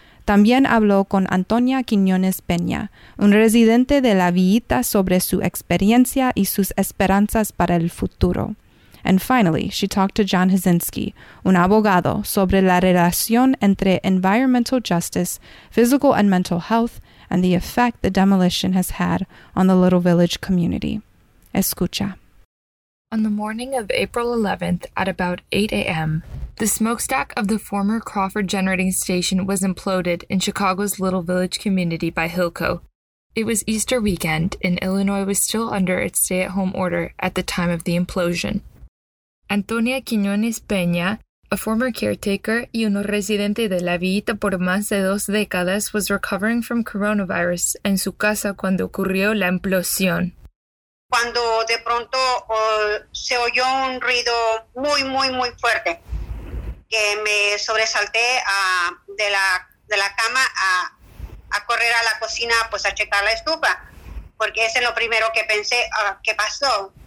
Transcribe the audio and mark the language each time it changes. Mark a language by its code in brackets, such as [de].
[es] También habló con Antonia Quiñones Peña, un residente de La Villita, sobre su experiencia y sus esperanzas para el futuro. [en] And finally, she talked to John Hazinski, [es] un abogado, sobre la relación entre [en] environmental justice, physical and mental health, and the effect the demolition has had on the Little Village community. [es] Escucha. [en] On the morning of April 11th at about 8 a.m., the smokestack of the former Crawford Generating Station was imploded in Chicago's Little Village community by Hilco. It was Easter weekend, and Illinois was still under its stay-at-home order at the time of the implosion. [es] Antonia Quiñones Peña, [en] a former caretaker [es] y un residente de La Villita por más de dos décadas, [en] was recovering from coronavirus [es] en su casa cuando ocurrió la implosión. Cuando de pronto se oyó un ruido muy, muy, muy fuerte, que me sobresalté de la cama a correr a la cocina, pues a checar la estufa, porque ese es lo primero que pensé, ¿qué pasó?